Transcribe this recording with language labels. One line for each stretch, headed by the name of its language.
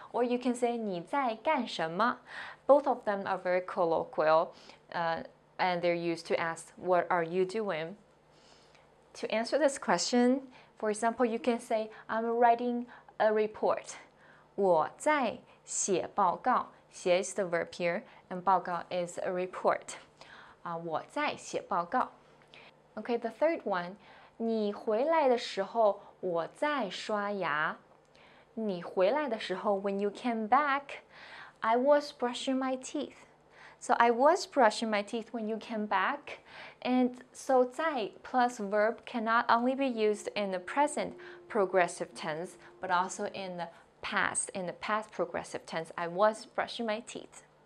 English: Or you can say,
Chinese: 你在干什么?
English: Both of them are very colloquial, and they're used to ask, what are you doing? To answer this question, for example, you can say, I'm writing a report.
Chinese: 我在写报告.
English: 写 is the verb here, and 报告 is a report.
Chinese: 我在写报告.
English: Okay, the third one.
Chinese: 你回来的时候我在刷牙. 你回来的时候,
English: when you came back, I was brushing my teeth. So I was brushing my teeth when you came back. And so 在 plus verb cannot only be used in the present progressive tense, but also in the past progressive tense, I was brushing my teeth.